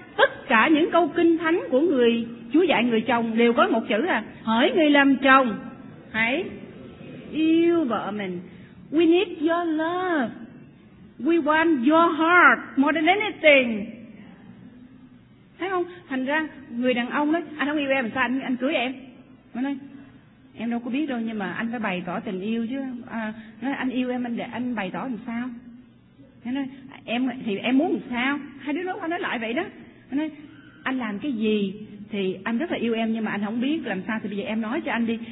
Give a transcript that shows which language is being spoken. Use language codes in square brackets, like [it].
[vi] Tất cả những câu kinh thánh của người Chúa dạy người chồng đều có một chữ à. Hỡi người làm chồng, hãy yêu vợ mình. [en] We need your love. We want your heart more than anything. [vi] Thấy không? Thành ra người đàn ông nói, anh không yêu em sao anh cưới em? Mới nói, em đâu có biết đâu, nhưng mà anh phải bày tỏ tình yêu chứ. Nói anh yêu em, anh bày tỏ làm sao? Mới nói, em thì em muốn làm sao? Hai đứa nói qua nói lại vậy đó. Mới nói, anh làm cái gì thì anh rất là yêu em, nhưng mà anh không biết làm sao, thì bây giờ em nói cho anh đi.